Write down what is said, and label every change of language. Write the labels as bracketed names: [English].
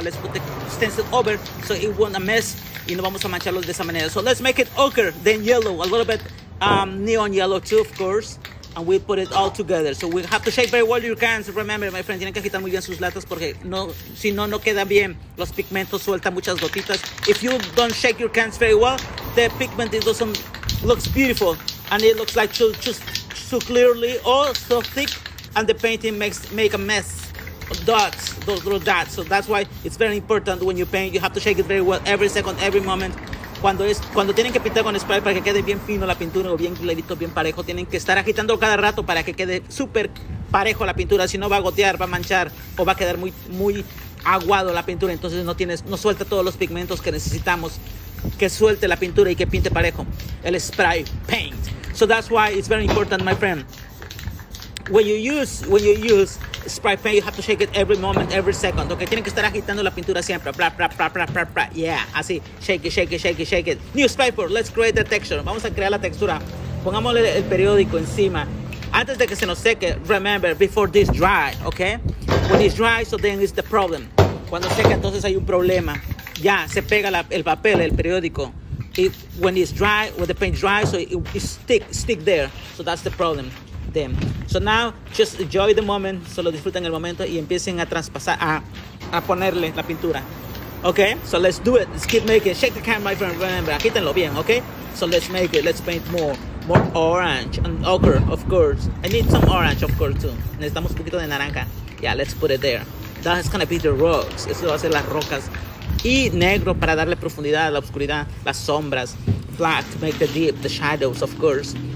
[English] Let's put the stencil over so it won't mess. [Spanish] Y no vamos a mancharlo de esa manera. [English] So let's make it ochre, then yellow, a little bit neon yellow too, of course. And we put it all together. So we have to shake very well your cans. Remember, my friend, [Spanish] tienen que agitar muy bien sus latas porque no, si no, no queda bien. Los pigmentos sueltan muchas gotitas. [English] If you don't shake your cans very well, the pigment looks beautiful. And it looks like too clearly or so thick, and the painting make a mess of dots, those little dots. So that's why it's very important when you paint, you have to shake it very well, every second, every moment. [Spanish] Cuando tienen que pintar con spray para que quede bien fino la pintura o bien clarito, bien parejo, tienen que estar agitando cada rato para que quede súper parejo la pintura. Si no, va a gotear, va a manchar o va a quedar muy, muy aguado la pintura. Entonces no suelta todos los pigmentos que necesitamos que suelte la pintura y que pinte parejo el spray paint. [English] So that's why it's very important, my friend. When you use spray paint, you have to shake it every moment, every second. [Spanish] Okay, tienen que estar agitando la pintura siempre. [English] Bra, bra, bra, bra, bra, bra. Yeah, así. Shake it. New spray paint. Let's create the texture. [Spanish] Vamos a crear la textura. Pongámosle el periódico encima. Antes de que se nos seque, [English] remember, before this dry, okay? When it's dry, so then it's the problem. [Spanish] Cuando seca, entonces hay un problema. Ya, se pega el papel, el periódico. [English] When the paint dry, so it stick there. So that's the problem. Them. So now just enjoy the moment, [Spanish] solo disfruten el momento y empiecen a traspasar, a ponerle la pintura. [English] Okay, so let's do it. Let's keep making. Shake the camera, my friend. Remember, [Spanish] agítenlo bien, [English] okay? So let's make it. Let's paint more orange and ochre, of course. I need some orange, of course, too. [Spanish] Necesitamos un poquito de naranja. [English] Yeah, let's put it there. That's gonna be the rocks. [Spanish] Eso va a ser las rocas. Y negro para darle profundidad a la oscuridad, las sombras. [English] Black to make the deep, the shadows, of course.